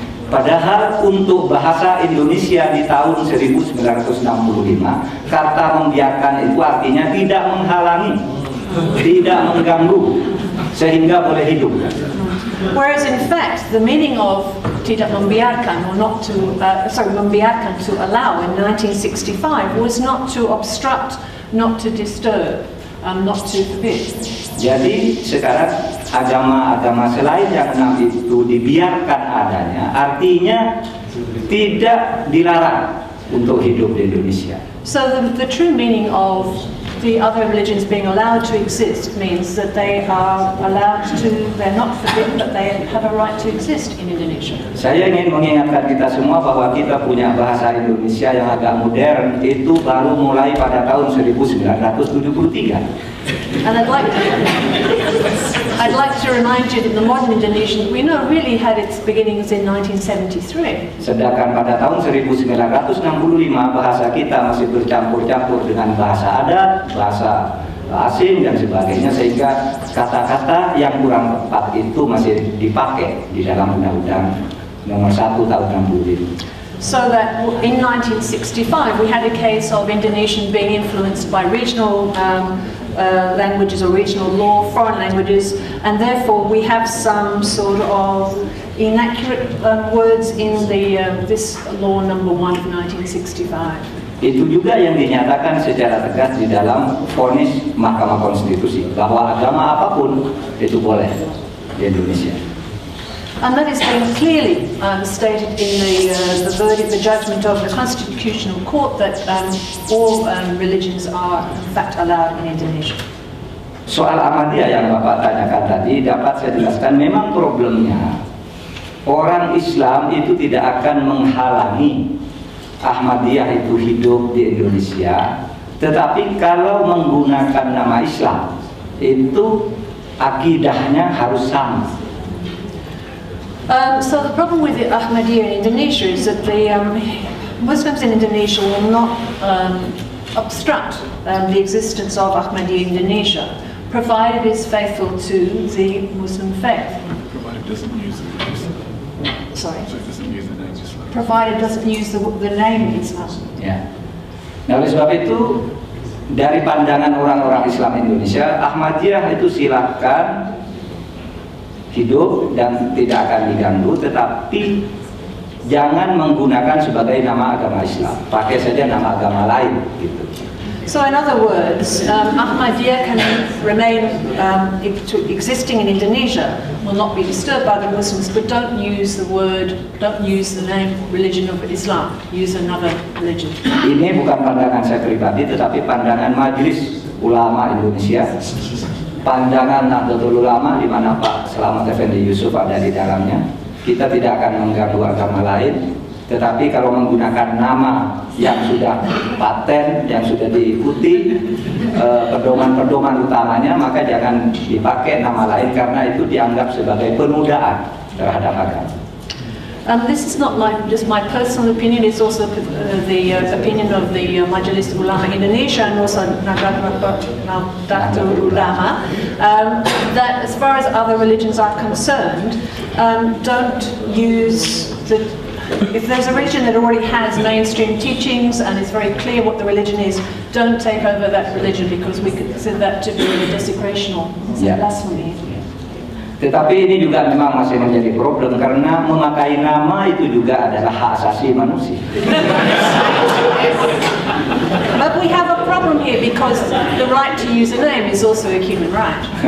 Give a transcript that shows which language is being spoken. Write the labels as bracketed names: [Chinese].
[Indonesian] Padahal untuk bahasa Indonesia di tahun 1965, kata membiarkan itu artinya tidak menghalangi, tidak mengganggu, sehingga boleh hidup. [English] Whereas in fact, the meaning of [Indonesian] tidak membiarkan [English] or not to, membiarkan to allow in 1965 was not to obstruct, not to disturb, not to forbid. [Indonesian] Jadi sekarang agama-agama selain yang 6 itu dibiarkan adanya, artinya tidak dilarang untuk hidup di Indonesia. [English] So the true meaning of the other religions being allowed to exist means that they are allowed to, they're not forbidden, but they have a right to exist in Indonesia. [Indonesian] Saya ingin mengingatkan kita semua bahwa kita punya bahasa Indonesia yang agak modern itu baru mulai pada tahun 1973. [English] And I'd like to remind you that the modern Indonesian we know really had its beginnings in 1973. [Indonesian] Sedangkan pada tahun 1965 bahasa kita masih bercampur-campur dengan bahasa adat, bahasa asing dan sebagainya, sehingga kata-kata yang kurang tepat itu masih dipakai di dalam Undang-Undang Nomor 1 tahun 65. [English] So that in 1965 we had a case of Indonesian being influenced by regional languages or regional law, foreign languages, and therefore we have some sort of inaccurate words in the this law number 1 of 1965. [Indonesian] Itu juga yang dinyatakan secara tegas di dalam vonis Mahkamah Konstitusi bahwa agama apapun itu boleh di Indonesia. [English] And that is being clearly stated in the verdict, the judgment of the Constitutional Court that all religions are in fact allowed in Indonesia. [Indonesian] Soal Ahmadiyya yang Bapak tanyakan tadi, dapat saya jelaskan memang problemnya orang Islam itu tidak akan menghalangi Ahmadiyah itu hidup di Indonesia, tetapi kalau menggunakan nama Islam itu akidahnya harus sama. [English] So the problem with the Ahmadiyya in Indonesia is that the Muslims in Indonesia will not obstruct the existence of Ahmadiyya in Indonesia, provided it is faithful to the Muslim faith. doesn't use the name Islam. Sorry? So it doesn't use the name Islam. Provided doesn't use the name Islam. Yeah. [Indonesian] Nah, oleh sebab itu, dari pandangan orang-orang Islam Indonesia, Ahmadiyah itu silakan hidup dan tidak akan diganggu, tetapi jangan menggunakan sebagai nama agama Islam. Pakai saja nama agama lain, gitu. [English] So in other words, Ahmadiyya can remain existing in Indonesia, will not be disturbed by the Muslims, but don't use the word, don't use the name religion of Islam, use another religion. [Indonesian] Ini bukan pandangan saya pribadi, tetapi pandangan Majelis Ulama Indonesia. Pandangan Nahdlatul Ulama di mana Pak Selamat Effendi Yusuf ada di dalamnya. Kita tidak akan mengganggu agama lain, tetapi kalau menggunakan nama yang sudah paten, yang sudah diikuti pedoman-pedoman utamanya, maka jangan dipakai nama lain karena itu dianggap sebagai penodaan terhadap agama. [English] This is not my just my personal opinion. It's also the opinion of the Majelis Ulama Indonesia and also Nahdlatul Ulama that, as far as other religions are concerned, don't use the. If there's a religion that already has mainstream teachings and it's very clear what the religion is, don't take over that religion because we consider that to be a desecration or blasphemy. [Indonesian] Tetapi ini juga memang masih menjadi problem karena memakai nama itu juga adalah hak asasi manusia. [English] But we have a problem here because the right to use a name is also a human right.